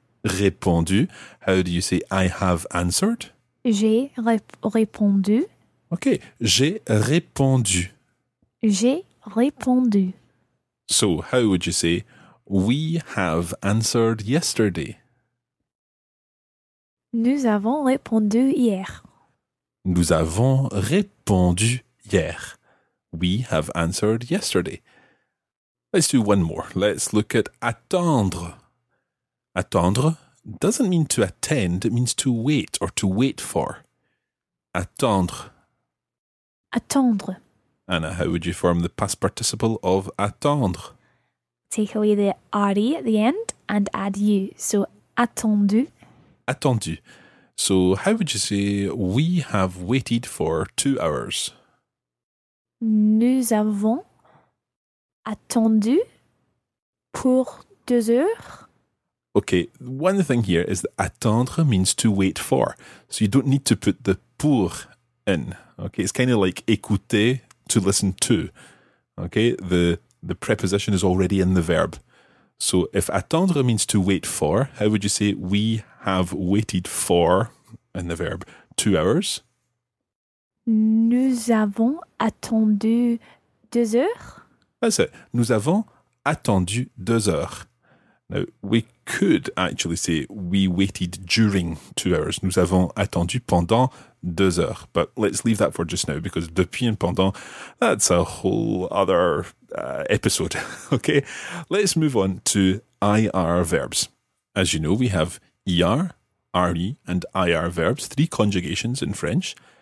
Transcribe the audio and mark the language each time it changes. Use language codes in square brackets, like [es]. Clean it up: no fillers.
[fr] Répondu. [en] How do you say I have answered? [fr] J'ai répondu. Okay, j'ai répondu. J'ai répondu. [en] So, how would you say we have answered yesterday? [fr] Nous avons répondu hier. Nous avons répondu hier. [en] We have answered yesterday. Let's do one more. Let's look at attendre. Attendre doesn't mean to attend. It means to wait or to wait for. [fr] Attendre. Attendre. [en] Anna, how would you form the past participle of attendre? Take away the RE at the end and add you. [fr] So, attendu. Attendu. [en] So, how would you say we have waited for 2 hours? [fr] Nous avons attendu pour 2 heures. [en] Okay, one thing here is that attendre means to wait for. So, you don't need to put the pour in. Okay, it's kind of like écouter, to listen to. Okay, the preposition is already in the verb. So, if attendre means to wait for, how would you say we have waited for, in the verb, 2 hours? [fr] Nous avons attendu 2 heures. [en] That's it. [fr] Nous avons attendu 2 heures. [en] Now, we could actually say we waited during 2 hours. [fr] Nous avons attendu pendant 2 heures. [en] But let's leave that for just now, because depuis and pendant, that's a whole other episode, okay? Let's move on to IR verbs. As you know, we have ER, RE, and IR verbs, 3 conjugations in French.